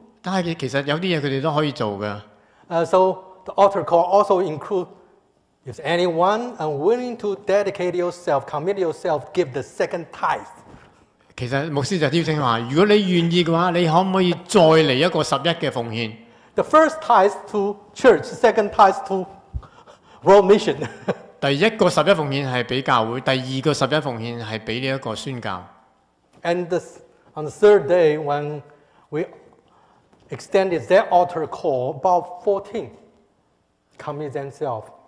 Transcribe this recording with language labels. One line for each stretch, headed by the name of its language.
Cantonese: 但係其實有啲嘢佢哋都可以做嘅。
English: So the altar call also include if anyone unwilling to dedicate yourself, commit yourself, give the second tithe.
Cantonese: 其實牧師就邀請話，如果你願意嘅話，你可唔可以再嚟一個11%嘅奉獻
English: ？The first tithe to church, second tithe to world mission.
Cantonese: 第一個十一奉獻係俾教會，第二個十一奉獻係俾呢一個宣教。
English: And on the third day when we extended their altar call about 14 commit themselves.